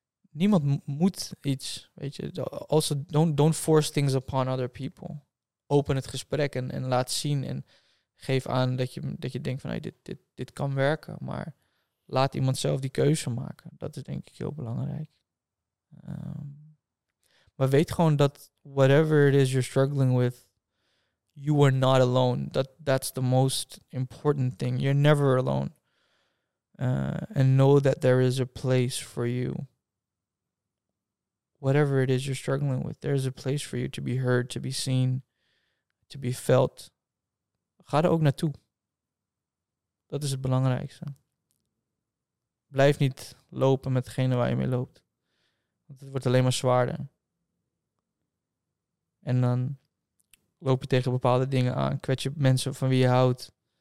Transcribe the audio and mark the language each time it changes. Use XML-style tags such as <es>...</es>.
<nl>Niemand moet iets, weet je.</nl> <en>Also, don't force things upon other people.</en> <nl>Open het gesprek en laat zien en geef aan dat je denkt van, hey, dit kan werken. Maar laat iemand zelf die keuze maken. Dat is denk ik heel belangrijk. Maar weet gewoon dat</nl> <en>whatever it is you're struggling with, you are not alone. That's the most important thing. You're never alone. And know that there is a place for you. Whatever it is you're struggling with, there is a place for you to be heard, to be seen, to be felt.</en> <nl>Ga er ook naartoe. Dat is het belangrijkste. Blijf niet lopen met degene waar je mee loopt. Want het wordt alleen maar zwaarder. En dan loop je tegen bepaalde dingen aan. Kwets je mensen van wie je houdt.</nl>